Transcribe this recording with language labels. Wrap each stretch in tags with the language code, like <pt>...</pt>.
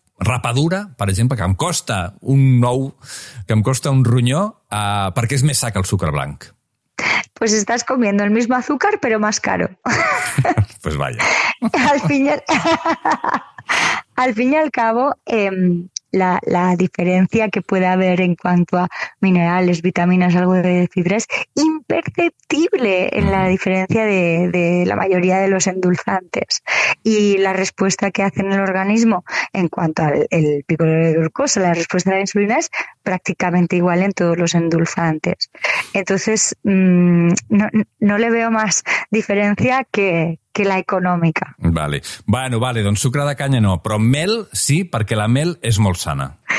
<ca>rapadura, per exemple, que em costa un ou, que em costa un ronyó, perquè és més sa que el sucre blanc.</ca> <es>Pues estás comiendo el mismo azúcar, pero más caro. Pues vaya. Al fin y al cabo, la diferencia que puede haber en cuanto a minerales, vitaminas, algo de fibra, es imperceptible en la diferencia de la mayoría de los endulzantes. Y la respuesta que hace en el organismo en cuanto al el pico de glucosa, la respuesta a la insulina, es prácticamente igual en todos los endulzantes. Entonces, no le veo más diferencia que la econòmica. Vale.</es> <ca>Bueno, vale, doncs sucre de canya no, però mel sí, perquè la mel és molt sana.</ca>